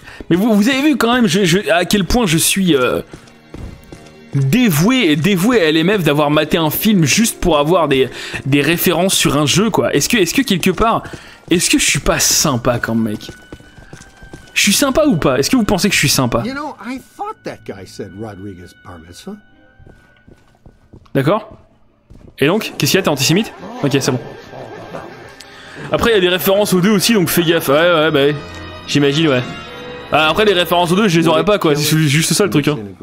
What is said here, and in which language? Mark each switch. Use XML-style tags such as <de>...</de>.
<fr>Mais vous avez vu quand même à quel point je suis dévoué à LMF d'avoir maté un film juste pour avoir des références sur un jeu, quoi. Est-ce que quelque part, est-ce que je suis pas sympa quand même, mec? Je suis sympa ou pas? Est-ce que vous pensez que je suis sympa?</fr> <en>You know, I thought that guy said Rodriguez Bar Mitzvah.</en> <fr>D'accord. Et donc, qu'est-ce qu'il y a? T'es antisémite? Ok, c'est bon. Après, il y a des références aux deux aussi, donc fais gaffe. Ouais, ouais, bah, j'imagine, ouais. Après, les références aux deux, je les aurais pas, quoi. C'est juste ça le truc, hein.</fr>